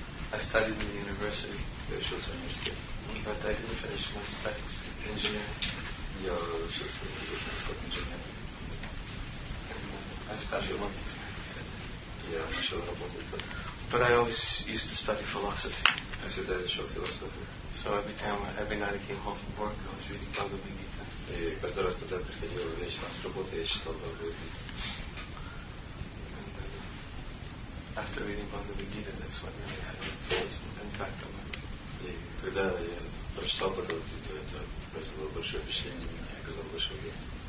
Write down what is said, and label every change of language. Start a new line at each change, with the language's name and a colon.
English: I studied in the university, but I didn't finish my studies. Engineering.
Russian: Я учился в университете инженером.
English: I studied one.
Russian: Я начал работать.
English: But I always used to study philosophy.
Russian: I всегда учил философию.
English: So every night I came home from work, I was reading Bhagavad Gita.
Russian: И каждый раз, когда приходил вечером с работы, я читал Bhagavad Gita.
English: After reading Bhagavad Gita, that's when I really had an influence and impact on me.
Russian: Когда я прочитал Bhagavad Gita, это произвело большое впечатление на меня, оказало большое влияние.